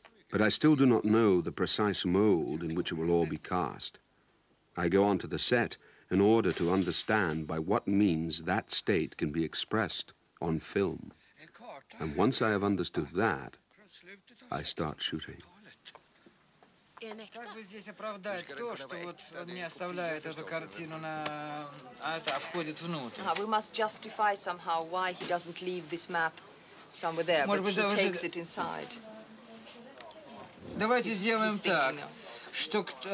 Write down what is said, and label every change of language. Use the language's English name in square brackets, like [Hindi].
[English] But I still do not know the precise mold in which it will all be cast. I go onto the set in order to understand by what means that state can be expressed on film. And once I have understood that, I start shooting. [Russian] Как бы здесь оправдать то, что вот он не оставляет эту картину на... А это входит внутрь. [English] We must justify somehow why he doesn't leave this map somewhere there, but he takes it inside. [Russian] Давайте сделаем так, что...